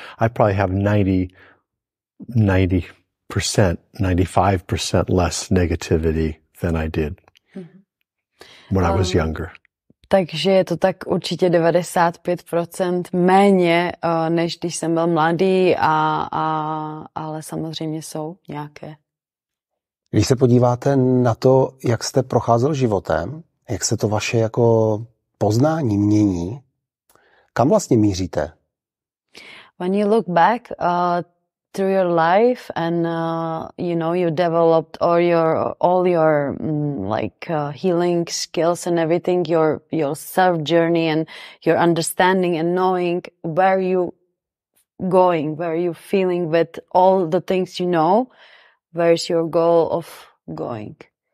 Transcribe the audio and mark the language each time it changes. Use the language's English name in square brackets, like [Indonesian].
[English] I probably have 90%, 95% less negativity than I did when I was younger. [Czech] Takže je to tak určitě 95% méně, než když jsem byl mladý, ale samozřejmě jsou nějaké. Když se podíváte na to, jak jste procházel životem, jak se to vaše jako poznání mění, kam vlastně míříte? [English] When you look back through your life and you know, you developed all your healing skills and everything, your self journey and your understanding and knowing where you going, where you feeling with all the things you know, where's your goal of going?